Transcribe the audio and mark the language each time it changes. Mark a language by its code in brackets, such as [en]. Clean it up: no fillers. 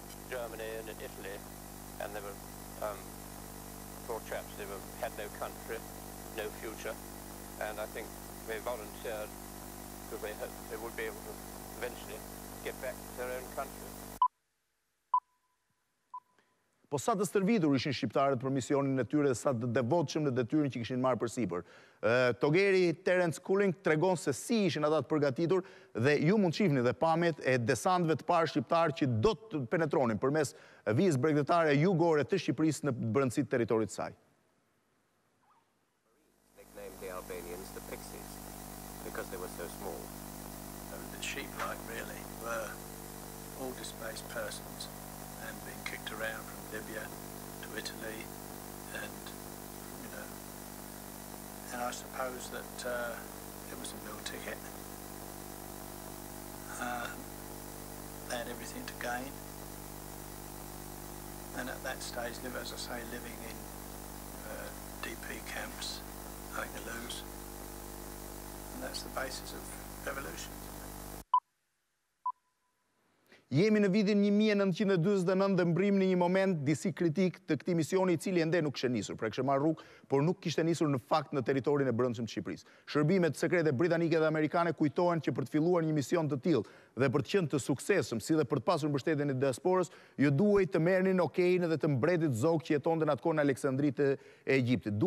[en] Germany and in Italy, and they were poor chaps. They were, had no country, no future, and I think they volunteered because they hoped they would be able to eventually get back to their own country. [sq] Po sa të stërvitur ishin shqiptarët për misionin e tyre dhe sa të devotshëm në detyrën që kishin marrë përsipër. Togeri Terence Culling tregon se si ishin ata të përgatitur dhe ju mund shihni dhe pamjet e desantëve të parë shqiptar që do të penetronin përmes vijës bregdetare jugore të Shqipërisë në brendësitë të territorit të saj. [en] Nicknamed the Albanians the Pixies because they were so small. And the sheep-like really were all displaced persons and being kicked around from Libya to Italy, and you know, and I suppose that it was a meal ticket. They had everything to gain, and at that stage, live as I say, living in DP camps, having to lose, and that's the basis of evolution. [sq] Jemi në vitin 1949 dhe mbrim në një moment disi kritik të këtij misioni i cili ende nuk kishte nisur, pra kishte marrë rrugë, por nuk kishte nisur në fakt në territorin e brendshëm të Shqipërisë. Shërbimet sekrete britanike dhe amerikane kujtohen që për të filluar një mision të tillë dhe për të qenë të suksesshëm, si dhe për të pasur mbështetjen e diasporës, ju duhej të merrnin okein edhe të mbretit Zog që jetonte në atë kohë në Aleksandri të Egjiptit.